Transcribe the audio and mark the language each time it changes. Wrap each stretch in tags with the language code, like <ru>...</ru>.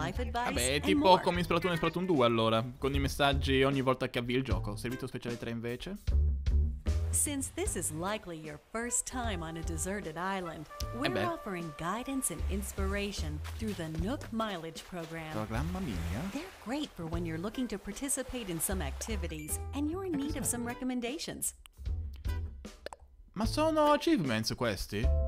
<it>Vabbè, è tipo come in Splatoon e Splatoon 2 allora. Con i messaggi ogni volta che avvii il gioco. Servizio speciale 3 invece.</it> <en>Since this is likely your first time on a deserted island, we're offering guidance and inspiration through the Nook Mileage Program.</en> <it>Programma mia.</it> <en>They're great for when you're looking to participate in some activities and you're in need of some recommendations.</en> <it>Ma sono achievements questi?</it>